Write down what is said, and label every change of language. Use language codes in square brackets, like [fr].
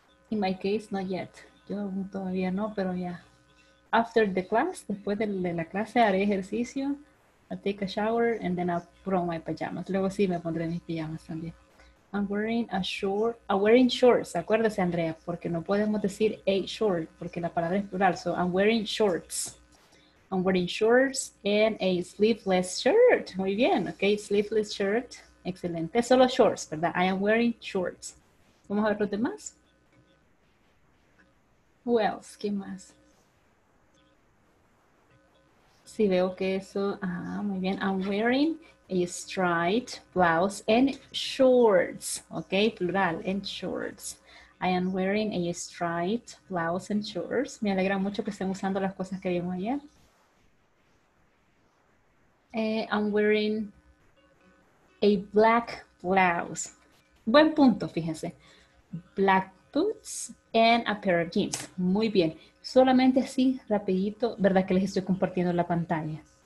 [en] In my case, not yet. [es] Yo todavía no, pero ya. [en] After the class, [es] después de la clase, haré ejercicio. [en] I'll take a shower and then I'll put on my pajamas. [es] Luego sí me pondré mis pijamas también. [en] I'm wearing shorts. [es] Acuérdese, Andrea, porque no podemos decir a short, porque la palabra es plural. [en] So I'm wearing shorts. I'm wearing shorts and a sleeveless shirt. [es] Muy bien, ok. [en] Sleeveless shirt. Excelente. [es] Solo shorts, ¿verdad? [en] I am wearing shorts. [es] Vamos a ver los demás. [en] Who else? [es] ¿Quién más? Sí, veo que eso. Ah, muy bien. [en] I'm wearing a striped blouse and shorts. Ok, plural, and shorts. I am wearing a striped blouse and shorts. [es] Me alegra mucho que estén usando las cosas que vimos ayer. [en] I'm wearing a black blouse. [es] Buen punto, fíjense. [en] Black boots and a pair of jeans. [es] Muy bien. Solamente así, rapidito, ¿verdad que les estoy compartiendo la pantalla?